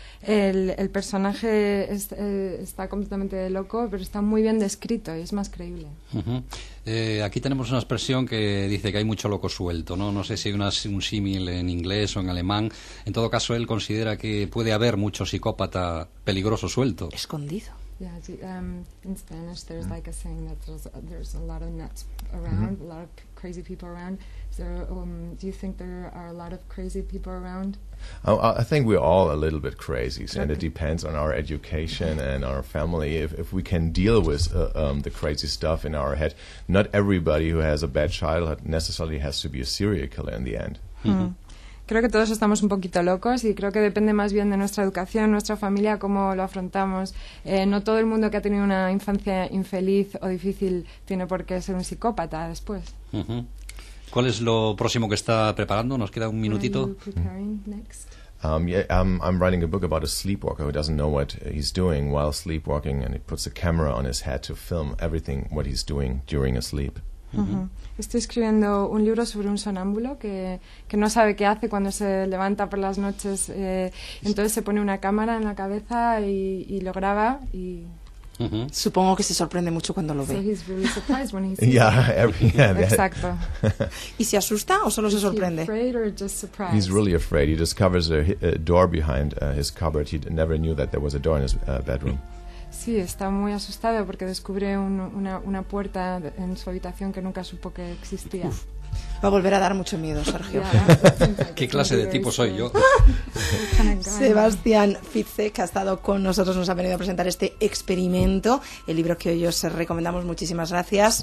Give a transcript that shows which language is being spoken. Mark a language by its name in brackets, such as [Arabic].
[Spanish] el personaje está completamente loco, pero está muy bien descrito y es más creíble. Aquí tenemos una expresión que dice que hay mucho loco suelto, ¿no? No sé si hay un símil en inglés o en alemán. En todo caso, él considera que puede haber mucho psicópata peligroso suelto. Escondido. [English] Yeah, in Spanish there's like a saying that there's a lot of nuts around, a lot of crazy people around. So do you think there are a lot of crazy people around? I think we're all a little bit crazy, okay. And it depends on our education and our family, if we can deal with the crazy stuff in our head. Not everybody who has a bad childhood necessarily has to be a serial killer in the end. [Spanish] Creo que todos estamos un poquito locos y creo que depende más bien de nuestra educación, nuestra familia, cómo lo afrontamos. No todo el mundo que ha tenido una infancia infeliz o difícil tiene por qué ser un psicópata después. ¿Cuál es lo próximo que está preparando? Nos queda un minutito. [English] I'm writing a book about a sleepwalker who doesn't know what he's doing while sleepwalking, and he puts a camera on his head to film everything what he's doing during a sleep. [Spanish] Estoy escribiendo un libro sobre un sonámbulo que no sabe qué hace cuando se levanta por las noches. Entonces se pone una cámara en la cabeza y lo graba y... Supongo que se sorprende mucho cuando lo ve. [English] So he's really surprised when he sees it. [Spanish] Exacto. ¿Y se asusta o solo [English] is [Spanish] se sorprende? [English] He afraid or just surprised? He's really afraid. He discovers a door behind his cupboard. He never knew that there was a door in his bedroom. [Spanish] Sí, está muy asustado porque descubre una puerta en su habitación que nunca supo que existía. Uf, va a volver a dar mucho miedo, Sergio. ¿Qué clase de tipo soy yo? Sebastián Fitzek ha estado con nosotros, nos ha venido a presentar este experimento, el libro que hoy os recomendamos. Muchísimas gracias.